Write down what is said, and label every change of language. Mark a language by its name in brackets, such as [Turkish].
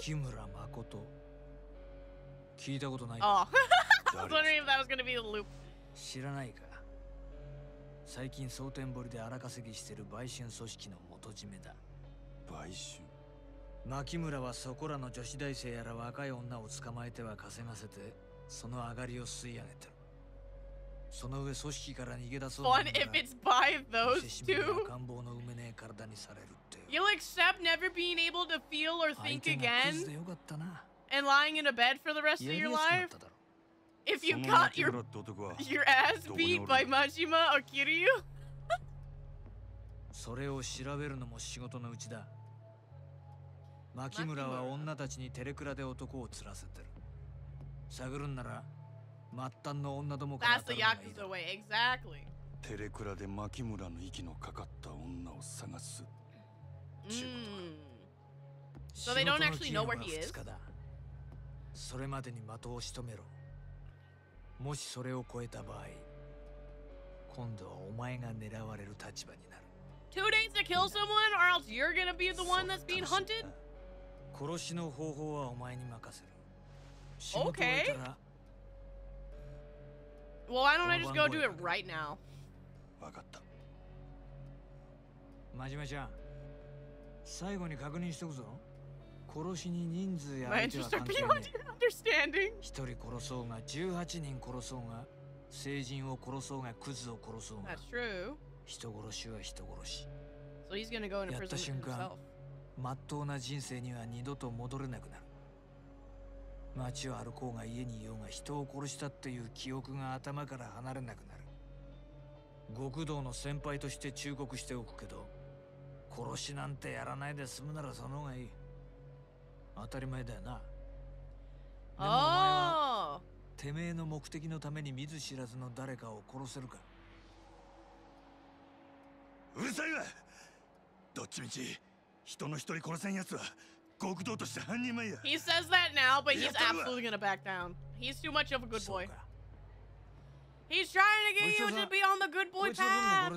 [English] Oh, I was wondering if that was going to be the loop. [Japanese] 最近蒼天堀で荒稼ぎしてる売春組織の元締めだ。売春？牧村はそこらの女子大生やら若い女を捕まえては稼がせて、その上がりを吸い上げてる。その上組織から逃げ出そうなら、 [English] Fun if it's by those two. [Japanese] 見せしめで赤ん坊の産めねえ体にされるって。 [English] You'll accept never being able to feel or think again? [Japanese] 相手が傷でよかったな。 [English] And lying in a bed for the rest of your life? If you got your ass beat by Majima or Kiryu? [Japanese] それを調べるのも仕事のうちだ。牧村は女たちにテレクラで男を釣らせてる。探るんなら末端の女どもから当たるのがいいだ。 [English] That's the Yakuza way, exactly. [Japanese] テレクラで牧村の息のかかった女を探す。仕事か。 [English] So they don't actually know where he is? [Japanese] それまでに的を仕留めろ。もしそれを超えた場合、今度はお前が狙われる立場になる。 [English] Two days to kill someone, or else you're gonna be the one that's being hunted? [Japanese] 殺しの方法はお前に任せる。 [English] Okay. Well, why don't I just go do it right now? [Japanese] わかった。マジマちゃん、最後に確認しておくぞ。殺しに人数や相手は関係ない。 [English] My interests are beyond your understanding. [Japanese] 一人殺そうが、18人殺そうが、成人を殺そうが、クズを殺そうが。 [English] That's true. [Japanese] 人殺しは人殺し。 [English] So he's gonna go into prison himself. [Japanese] やった瞬間、真っ当な人生には二度と戻れなくなる。街を歩こうが家にいようが人を殺したっていう記憶が頭から離れなくなる。極道の先輩として忠告しておくけど、殺しなんてやらないで済むならその方がいい。当たり前だよな。でもお前は、てめえの目的のために見ず知らずの誰かを殺せるか。うるさいわ。どっちみち人の一人殺せんやつは極道として犯人前や。 [English] He says that now, but he's absolutely gonna back down. He's too much of a good boy. He's trying to get you to be on the good boy path.